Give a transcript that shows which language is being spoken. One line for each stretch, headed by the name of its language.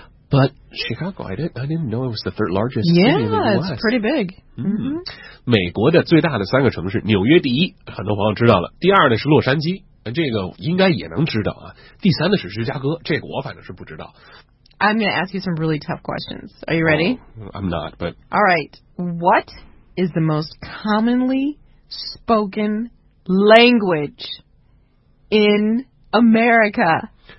English: But Chicago, I didn't know it was the third largest city in the U.S. Yeah, it's pretty big.
Chinese: 美国的最大的三个城市，纽约第一，很多朋友知道了。第二呢是洛杉矶，这个应该也能知道啊。第三的是芝加哥，这个我反正是不知道。
English: I'm going to ask you some really tough questions. Are you ready? I'm not, but... All right. What is the most commonly spoken language in America?